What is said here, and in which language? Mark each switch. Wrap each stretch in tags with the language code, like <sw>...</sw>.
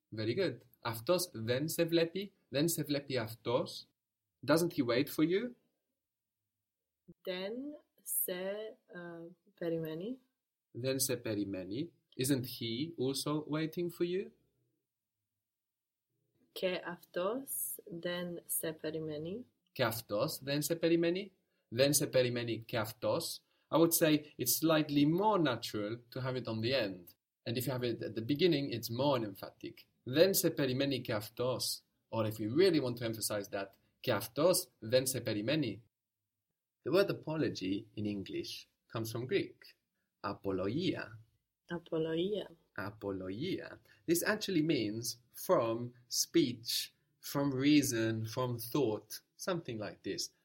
<en>Very good.</en> <el>Αυτός δεν σε βλέπει. Δεν σε βλέπει αυτός.</el> <en>Doesn't he wait for you?</en> <el>Δεν σε περιμένει. Δεν σε περιμένει. Isn't he also waiting for you? Και αυτός δεν σε περιμένει. Και αυτός δεν σε περιμένει. Δεν σε περιμένει και αυτός.</el> <en>I would say it's slightly more natural to have it on the end. And if you have it at the beginning, it's more emphatic.</en> <el>Δεν σε περιμένει και αυτός.</el> <en>Or if you really want to emphasize that,</en> <el>και αυτός δεν σε περιμένει.</el> <en>The word apology in English comes from Greek.</en> <el>Απολογία. Απολογία. Απολογία.</el> <en>This actually means from speech, from reason, from thought, something like this.</en>